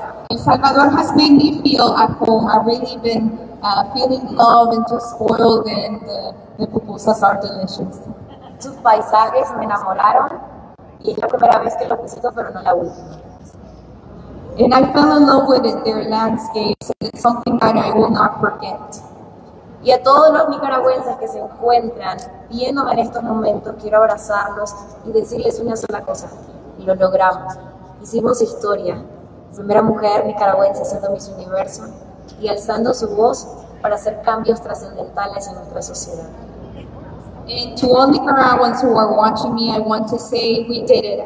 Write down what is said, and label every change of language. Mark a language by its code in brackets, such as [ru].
[en] El Salvador has made me feel at home. I've really been feeling love and just spoiled, and the pupusas are delicious. [es] Sus paisajes me enamoraron, y es la primera vez que lo visito, pero no la última. [en] And I fell in love with it, their landscapes, and it's something that I will not forget. [es] Y a todos los nicaragüenses que se encuentran viéndome en estos momentos, quiero abrazarlos y decirles una sola cosa, y lo logramos. Hicimos historia, primera mujer nicaragüense haciendo Miss Universo y alzando su voz para hacer cambios trascendentales en nuestra sociedad. [en] And to all Nicaraguans who are watching me, I want to say we did it.